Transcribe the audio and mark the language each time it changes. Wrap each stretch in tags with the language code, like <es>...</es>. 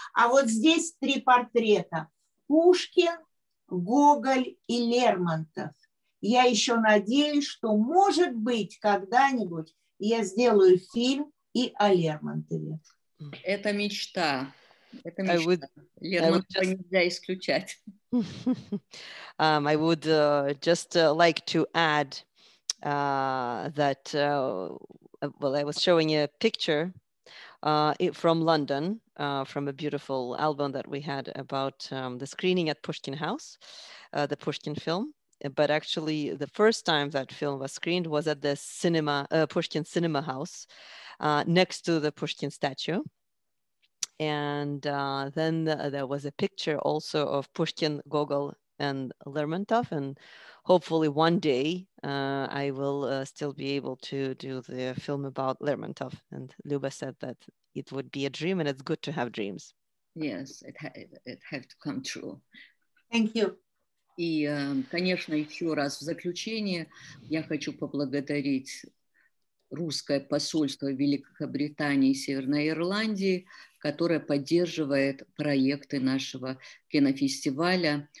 <ru>А вот здесь три портрета. Пушкин, Гоголь и Лермонтов. Я еще надеюсь, что, может быть, когда-нибудь я сделаю фильм и о Лермонтове. Это мечта. Это мечта. Лермонтова нельзя исключать.</ru> <en>I would just like to add that, well, I was showing you a picture from London, from a beautiful album that we had about the screening at Pushkin House, the Pushkin film. But actually, the first time that film was screened was at the cinema, Pushkin Cinema House, next to the Pushkin statue. And then there was a picture also of Pushkin, Gogol, and Lermontov. And hopefully one day I will still be able to do the film about Lermontov. And Luba said that it would be a dream, and it's good to have dreams. Yes, it had to come true. Thank you.</en> <ru>И, конечно, еще раз в заключение я хочу поблагодарить русское посольство Великобритании и Северной Ирландии, которое поддерживает проекты нашего кинофестиваля.</ru>